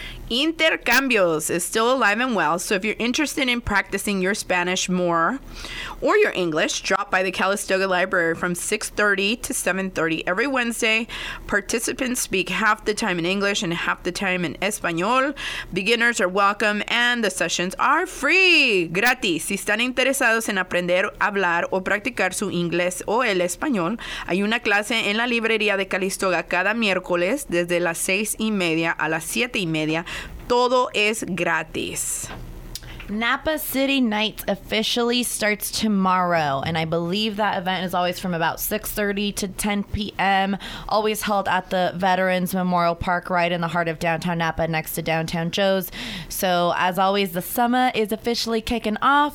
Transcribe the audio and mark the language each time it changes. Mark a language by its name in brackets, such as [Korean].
[English] Intercambios is still alive and well, so if you're interested in practicing your Spanish more or your English, drop by the Calistoga Library from 6:30 to 7:30 every Wednesday. Participants speak half the time in English and half the time in Espanol. Beginners are welcome, and the sessions are free. [Spanish] Gratis. Si están interesados en aprender a hablar o practicar su inglés o el español, hay una clase en la librería de Calistoga cada miércoles desde las 6:30 a las 7:30. Todo es gratis. [English] Napa City Nights officially starts tomorrow, and I believe that event is always from about 6:30 to 10 p.m., always held at the Veterans Memorial Park right in the heart of downtown Napa next to downtown Joe's. So, as always, the summer is officially kicking off.